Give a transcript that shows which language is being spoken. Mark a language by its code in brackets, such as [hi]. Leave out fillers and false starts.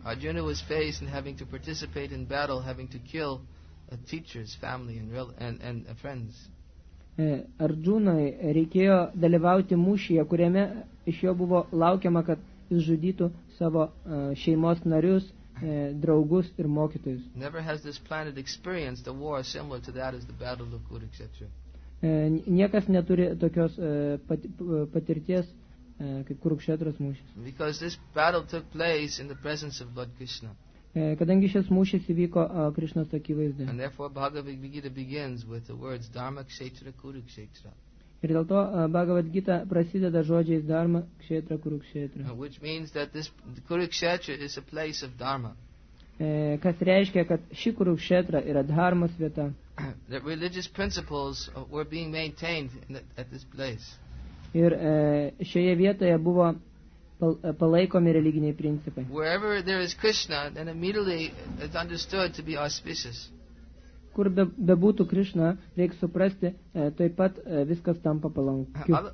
[en] Arjuna was faced in having to participate in battle, having to kill teachers, family and friends. [lt] Arjunai reikėjo dalyvauti mūšyje, kuriame iš jo buvo laukiama, kad jis žudytų savo šeimos narius, draugus ir mokytojus. [en] Never has this planet experienced a war similar to that as the battle of Kurukshetra. [lt] Niekas neturi tokios patirties kaip Kurukshetros mūšis. [en] Because this battle took place in the presence of Lord Krishna. [lt] Kadangi šis mūšis įvyko Krišnos akivaizdoje. [en] And therefore Bhagavad Gita begins with the words Dharma Kshetra Kurukshetra. [lt] Ir dėl to Bhagavad Gita prasideda žodžiais Dharma Kshetra Kurukshetra. [en] Which means that this Kurukshetra is a place of Dharma. [lt] Kas reiškia, kad ši Kurukshetra yra dharmos vieta. [en] That religious principles were being maintained at this place. [lt] Ir šioje vietoje buvo palaikomi religiniai principai. [en] Wherever there is Krishna, then immediately it's understood to be auspicious. [lt] Kur bebūtų Krishna, reik suprasti, taip pat viskas tampa palankiu.